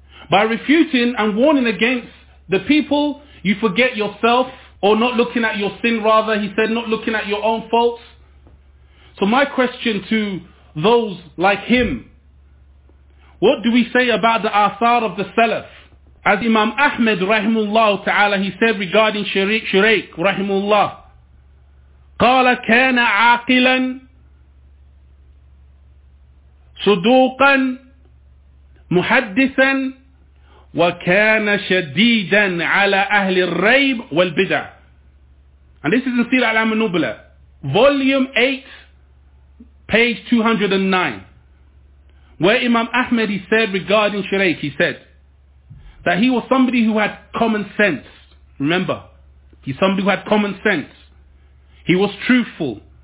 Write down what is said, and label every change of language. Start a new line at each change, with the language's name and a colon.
English: By refuting and warning against the people, you forget yourself, or not looking at your sin rather, he said, not looking at your own faults. So my question to those like him, what do we say about the athar of the Salaf? As Imam Ahmed rahimullah ta'ala, he said regarding Shuraik rahimullah,
Arabic: قَالَ كَانَ عَاقِلًا صُدُوقًا مُحَدِّثًا وَكَانَ شَدِيدًا عَلَىٰ أَهْلِ الرَّيْبِ وَالْبِدَعِ.
English: And this is in Sira Al-Amanubla, volume 8, page 209, where Imam Ahmed, he said regarding Shuraik, he said that he was somebody who had common sense. Remember, he's somebody who had common sense. He was truthful.